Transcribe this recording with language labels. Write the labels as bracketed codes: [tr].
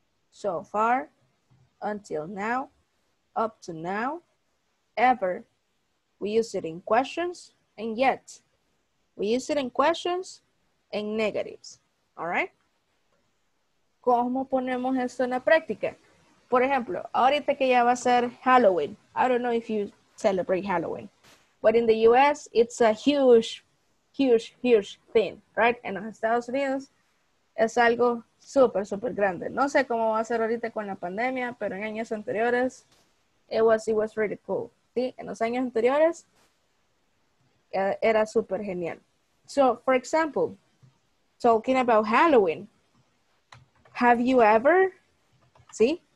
[en] So far, until now, up to now, ever, we use it in questions, and yet, we use it in questions and negatives. All right. [es] ¿Cómo ponemos esto en la práctica? Por ejemplo, ahorita que ya va a ser Halloween. [en] I don't know if you celebrate Halloween. But in the U.S., it's a huge, huge, huge thing, right? [es] En los Estados Unidos es algo súper, súper grande. No sé cómo va a ser ahorita con la pandemia, pero en años anteriores, [en] it was really cool, [es] ¿sí? En los años anteriores, era súper genial. [en] So, for example, talking about Halloween, have you ever, [es] ¿sí?